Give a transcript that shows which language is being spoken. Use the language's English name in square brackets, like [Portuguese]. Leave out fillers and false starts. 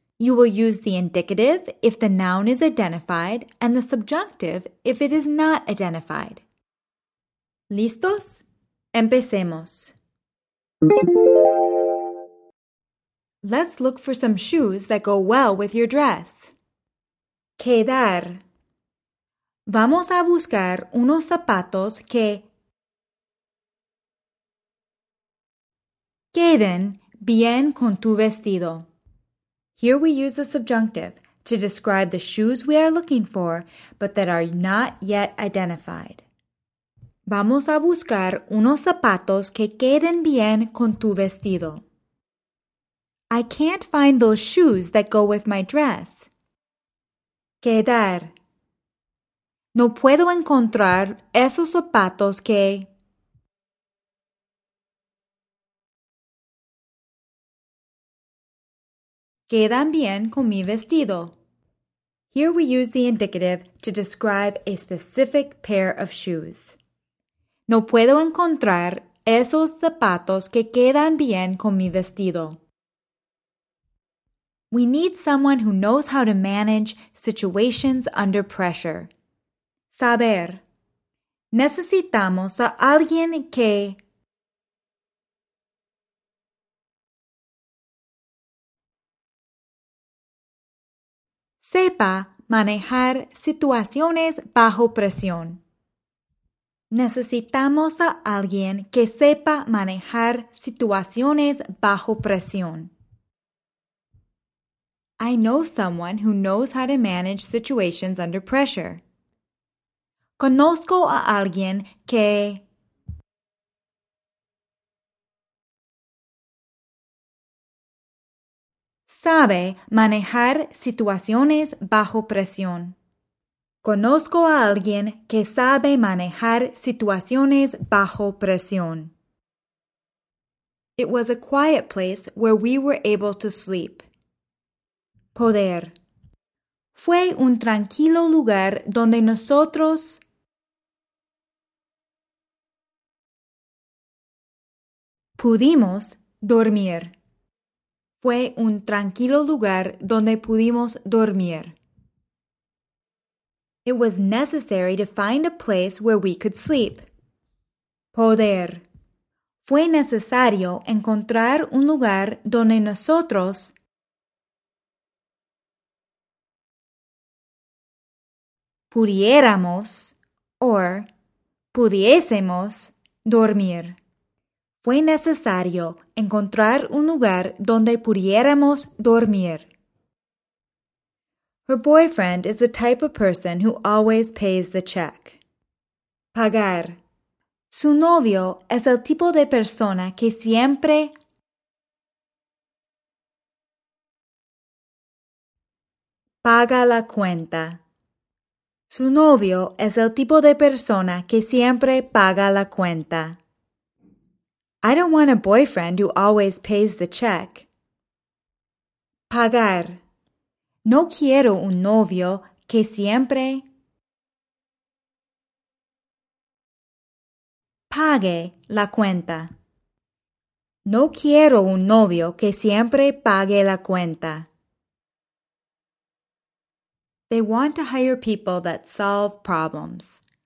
[English] You will use the indicative if the noun is identified and the subjunctive if it is not identified. [Spanish] ¿Listos? Empecemos. [English] Let's look for some shoes that go well with your dress. [Spanish] Quedar. Vamos a buscar unos zapatos que queden bien con tu vestido. [English] Here we use the subjunctive to describe the shoes we are looking for, but that are not yet identified. [Spanish] Vamos a buscar unos zapatos que queden bien con tu vestido. [English] I can't find those shoes that go with my dress. [Spanish] Quedar. No puedo encontrar esos zapatos que quedan bien con mi vestido. [English] Here we use the indicative to describe a specific pair of shoes. [Spanish] No puedo encontrar esos zapatos que quedan bien con mi vestido. [English] We need someone who knows how to manage situations under pressure. [Spanish] Saber. Necesitamos a alguien que sepa manejar situaciones bajo presión. Necesitamos a alguien que sepa manejar situaciones bajo presión. [English] I know someone who knows how to manage situations under pressure. [Spanish] Conozco a alguien que sabe manejar situaciones bajo presión. Conozco a alguien que sabe manejar situaciones bajo presión. [English] It was a quiet place where we were able to sleep. Poder. [Spanish] Fue un tranquilo lugar donde nosotros pudimos dormir. Fue un tranquilo lugar donde pudimos dormir. [English] It was necessary to find a place where we could sleep. [Spanish] Poder. Fue necesario encontrar un lugar donde nosotros pudiéramos or pudiésemos dormir. Fue necesario encontrar un lugar donde pudiéramos dormir. [English] Her boyfriend is the type of person who always pays the check. [Spanish] Pagar. Su novio es el tipo de persona que siempre paga la cuenta. Su novio es el tipo de persona que siempre paga la cuenta. [English] I don't want a boyfriend who always pays the check. [Spanish] Pagar. No quiero un novio que siempre pague la cuenta. No quiero un novio que siempre pague la cuenta. [English] They want to hire people that solve problems.